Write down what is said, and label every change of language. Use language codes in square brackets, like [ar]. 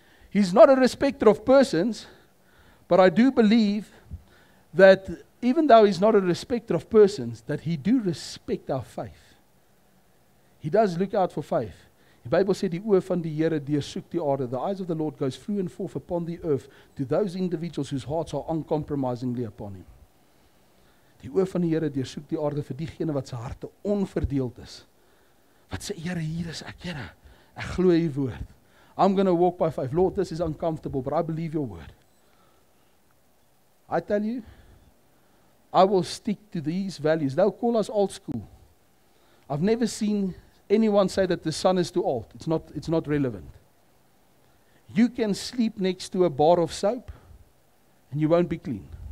[en] He's not a respecter of persons, but I do believe that even though he's not a respecter of persons, that he do respect our faith. He does look out for faith. The Bible said, [af] die oor van die Here deursoek die aarde. [en] The eyes of the Lord goes through and forth upon the earth to those individuals whose hearts are uncompromisingly upon him. [af] Die oor van die Here deursoek die aarde vir diegene wat sy harte onverdeeld is. Wat sê, Here, hier is ek, Here. Ek glo u woord. [en] I'm going to walk by faith. Lord, this is uncomfortable, but I believe your word. I tell you, I will stick to these values. They'll call us old school. I've never seen anyone say that the sun is too old. It's not relevant. You can sleep next to a bar of soap and you won't be clean.